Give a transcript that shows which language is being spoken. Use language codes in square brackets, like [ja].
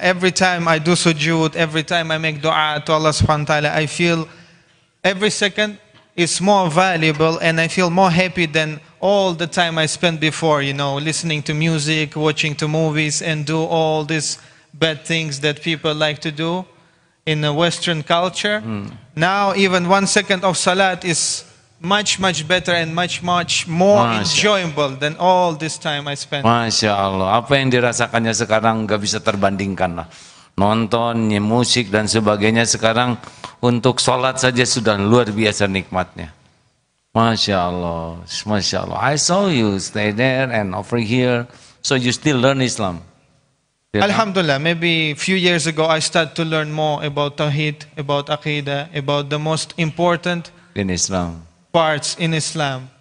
[en] Every time I do sujood, every time I make dua to Allah subhanahu wa ta'ala, I feel every second is more valuable and I feel more happy than all the time I spent before, you know, listening to music, watching to movies and do all these bad things that people like to do. in the Western culture. Mm. Now even 1 second of salat is much, much better and much, much more enjoyable than all this time I spent. [id] Masya Allah, apa yang dirasakannya sekarang gak bisa terbandingkan lah. Nonton, musik dan sebagainya sekarang untuk sholat saja sudah luar biasa nikmatnya. Masya Allah, Masya Allah. [en] I saw you stay there and over here, so you still learn Islam. Alhamdulillah, maybe a few years ago I start to learn more about Tawheed, about Aqidah, about the most important in Islam. Parts in Islam.